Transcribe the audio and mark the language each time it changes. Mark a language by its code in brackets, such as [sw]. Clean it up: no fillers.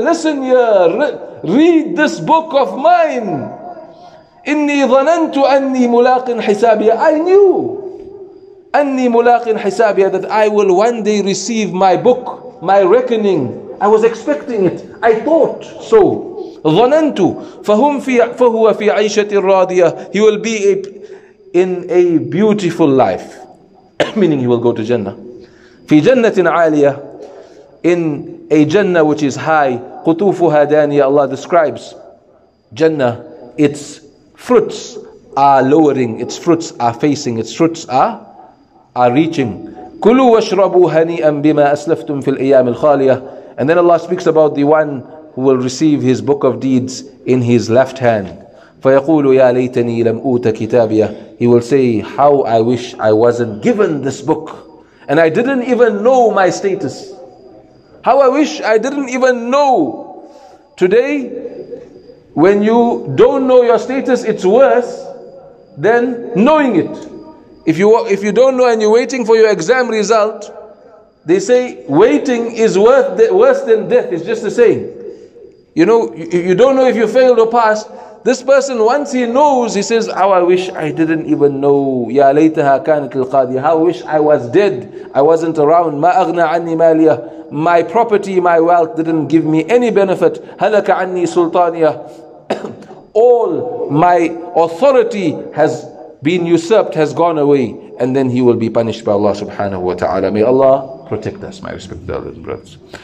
[en] Listen here, read this book of mine. [ar] Inni dhanantu anni mulaqin hisabiya. [en] I knew [ar] أني ملاقٍ حسابي, [en] that I will one day receive my book, my reckoning. I was expecting it. I thought so. [ar] ظننت فهم في فهو في عيشة راضية. [en] He will be in a beautiful life, meaning he will go to Jannah. [ar] في جنة عالية, [en] in a Jannah which is high. [ar] قطوفها دانية. [en] Allah describes Jannah. Its fruits are lowering. Its fruits are facing. Its fruits are reaching. [ar] كلوا واشربوا هنيئا بما أسلفتم في الأيام الخالية. [en] And then Allah speaks about the one who will receive his book of deeds in his left hand. [ar] فيقول يا ليتني لم أوت كتابيه. [en] He will say, how I wish I wasn't given this book, and I didn't even know my status. How I wish I didn't even know. Today, when you don't know your status, it's worse than knowing it. If you don't know and you're waiting for your exam result, they say waiting is worse than death. It's just the same. You know, you don't know if you failed or passed. This person, once he knows, he says, how I wish I didn't even know. [ar] يا ليتها كانت القاضية. [en] How I wish I was dead. I wasn't around. [ar] ما أغنى عني مالية. [en] My property, my wealth didn't give me any benefit. [ar] هلك عني سلطانية. [en] All my authority has been usurped, has gone away. And then he will be punished by Allah subhanahu wa ta'ala. May Allah protect us, my respected elders and brothers.